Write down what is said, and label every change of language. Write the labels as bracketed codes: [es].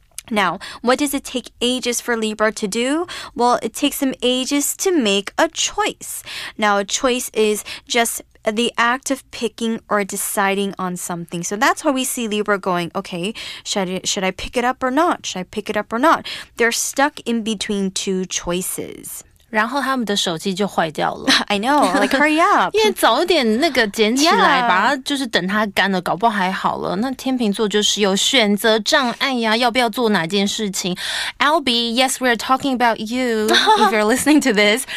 [en] Now, what does it take ages for Libra to do? Well, it takes them ages to make a choice. Now, a choice is just the act of picking or deciding on something. So that's why we see Libra going, okay, should I pick it up or not? Should I pick it up or not? They're stuck in between two choices. [zh] 然后他们的手机就坏掉了。 [en] I know, like hurry up. [zh] 因为早一点那个捡起来吧，就是等它干了，搞不好还好了。那天秤座就是有选择障碍呀，要不要做哪件事情。 [en] Albie, yes, we're talking about you, if you're listening to this.